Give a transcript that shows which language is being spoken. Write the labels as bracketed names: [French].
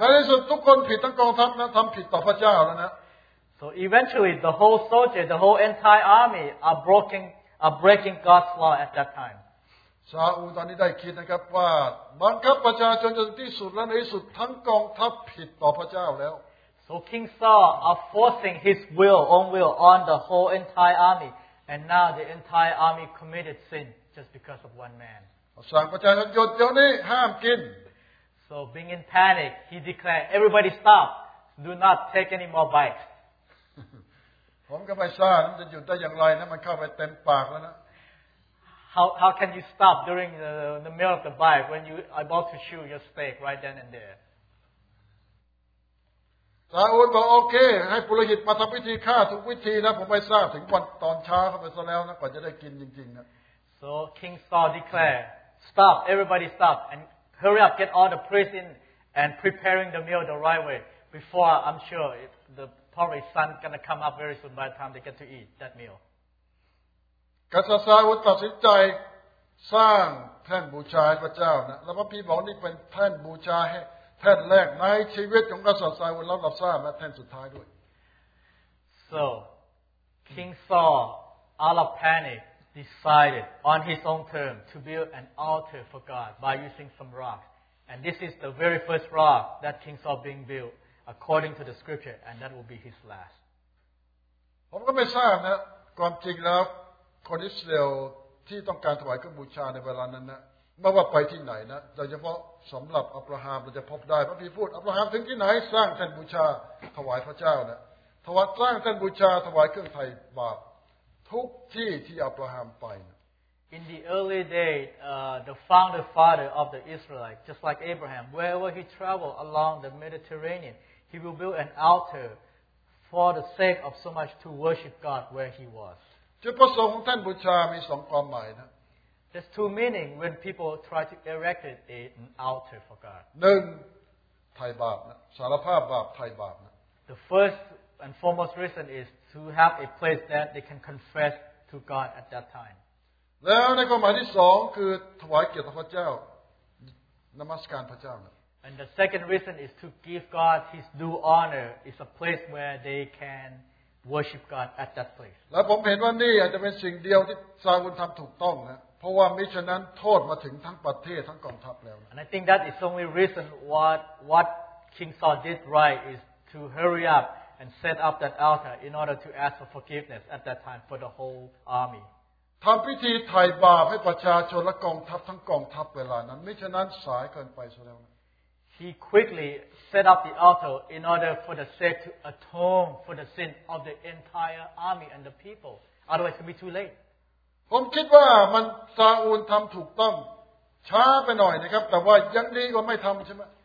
[Thai] ในที่สุดทุกคนผิดทั้งกองทัพนะทำผิดต่อพระเจ้าแล้วนะ [English] So eventually the whole soldier, the whole entire army are breaking God's law at that time. [Thai] ซาอูตอนนี้ได้คิดนะครับว่าบังคับประชาชนจนที่สุดและในที่สุดทั้งกองทัพผิดต่อพระเจ้าแล้ว [English] So King Saul are forcing his will own will on the whole entire army and now the entire army committed sin just because of one man [Thai] สั่งประชาชนหยุดเดี๋ยวนี้ห้ามกิน [English] So being in panic he declared everybody stop do not take any more bites [Thai] ผมก็ไม่ทราบจะหยุดได้อย่างไรนะมันเข้าไปเต็มปากแล้วนะ [English] How can you stop during the meal of the bite when you are about to chew your steak right then and there? [Thai] ซาอูลบอกโอเคให้ปุโรหิตมาทำพิธีฆ่าทุกวิธีนะผมไม่ทราบถึงวันตอนเช้าเข้าไปซะแล้วนะก่อนจะได้กินจริงๆนะ [English] So King Saul declared, stop, everybody stop, and hurry up, get all the priests in and preparing the meal the right way before I'm sure the porridge sun is going to come up very soon by the time they get to eat that meal. [Thai] กษัตริย์ซาอูลตัดสินใจสร้างแท่นบูชาพระเจ้านะแล้วพระพี่บอกนี่เป็นแท่นบูชาแท่นแรกในชีวิตของกษัตริย์ซาอูลแล้วรับสร้างและแท่นสุดท้ายด้วย [English] So King Saul out of panic decided on his own terms to build an altar for God by using some rocks and this is the very first rock that King Saul being built according to the scripture and that will be his last [Thai] ผมก็ไม่ทราบนะความจริงแล้วคนอิสราเอลที่ต้องการถวายเครื่องบูชาในเวลานั้นนะไม่ว่าไปที่ไหนนะโดยเฉพาะสำหรับอับราฮัมเราจะพบได้พระพี่พูดอับราฮัมถึงที่ไหนสร้างแท่นบูชาถวายพระเจ้านะถวายสร้างแท่นบูชาถวายเครื่องไถ่บาปทุกที่ที่อับราฮัมไปนะ [English] In the early days the founder father of the Israelite just like Abraham wherever he traveled along the Mediterranean he will build an altar for the sake of so much to worship God where he was [Thai] จุดประสงค์ของท่านบูชามีสองความหมายนะ [English] There's two meaning when people try to erect an altar for God. [Thai] หนึ่งไถ่บาปนะสารภาพบาปไถ่บาปนะ [English] The first and foremost reason is to have a place that they can confess to God at that time. [Thai] แล้วในความหมายที่สองคือถวายเกียรติพระเจ้านมัสการพระเจ้านะ [English] And the second reason is to give God His due honor. It's a place where they canWorship God at that place. [Thai] แล้วผมเห็นว่านี่อาจจะเป็นสิ่งเดียวที่ซาอูลทำถูกต้องนะเพราะว่ามิฉะนั้นโทษมาถึงทั้งประเทศทั้งกองทัพแล้ว [English] And I think that is only reason what King Saul did right is to hurry up and set up that altar in order to ask for forgiveness at that time for the whole army. [Thai] ทำพิธีไถ่บาปให้ประชาชนและกองทัพทั้งกองทัพเวลานั้นไม่ฉะนั้นสายเกินไปซะแล้ว [English] He quickly set up the altar in order for the sake to atone for the sin of the entire army and the people. Otherwise, it would be too late. [Thai] ผมคิดว่ามันซาอูลทำถูกต้องช้าไปหน่อยนะครับแต่ว่ายังดีกว่าไม่ทำใช่ไหม